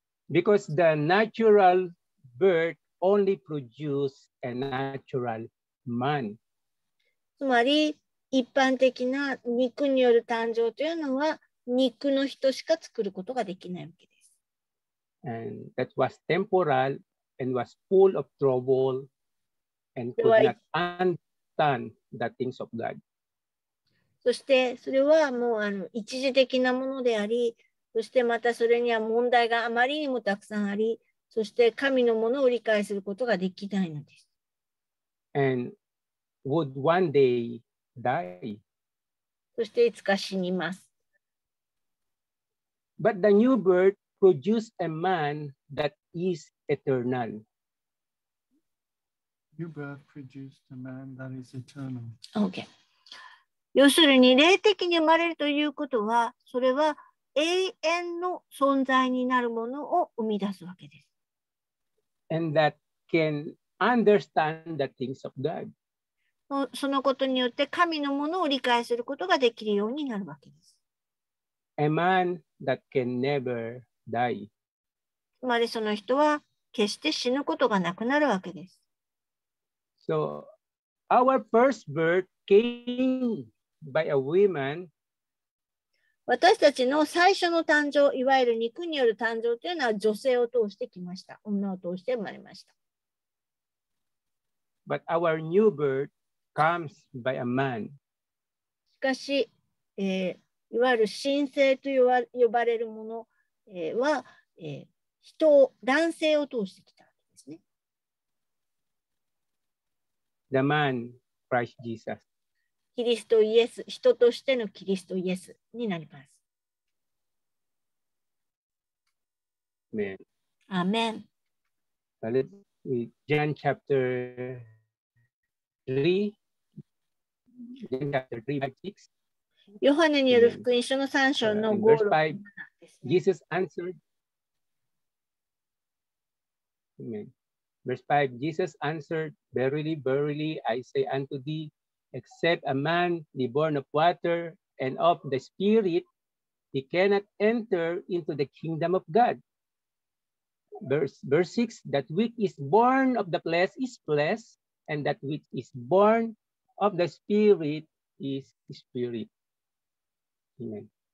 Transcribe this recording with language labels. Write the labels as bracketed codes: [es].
[en] Because the natural birth only produces a natural man. [ja] つまり一般的な肉による誕生というのは肉の人しか作ることができないわけです。 [en] And that was temporal and was full of trouble and could not understand the things of God. [ja] そしてそれはもう一時的なものであり、そしてまたそれには問題があまりにもたくさんあり、そして神のものを理解することができないのです。 [en] And would one day die. [ja] そしていつか死にます。 [en] But the new birth produced a man that is eternal. New birth produced a man that is eternal. Okay. [ja] 要するに霊的に生まれるということはそれは永遠の存在になるものを生み出すわけです。 [en] And that can understand the things of God. [ja] そのことによって神のものを理解することができるようになるわけです。 [en] A man that can never die. [ja] つまりその人は決して死ぬことがなくなるわけです。 [en] So our first birthcame by a woman. [ja] 私たちの最初の誕生、いわゆる肉による誕生というのは女性を通してきました。女を通して生まれました。 [en] But our new birth comes by a man. [ja] しかし、いわゆる新生と呼ばれるもの、は、人を、男性を通してきたわけですね。 [en] The man, Christ Jesus. [ja] キリストイエス、人としてのキリストイエスになります。 [en] Amen. Amen. John chapter 3, John chapter 3, verse 6. [ja] ヨハネによる福音書の3章の5、6、7です、ね。 [en] Jesus answered. Amen. Verse 5, Jesus answered, Verily, verily, I say unto thee,Except a man be born of water and of the Spirit, he cannot enter into the kingdom of God. Verse 6, that which is born of the flesh is flesh, and that which is born of the spirit is spirit. Amen.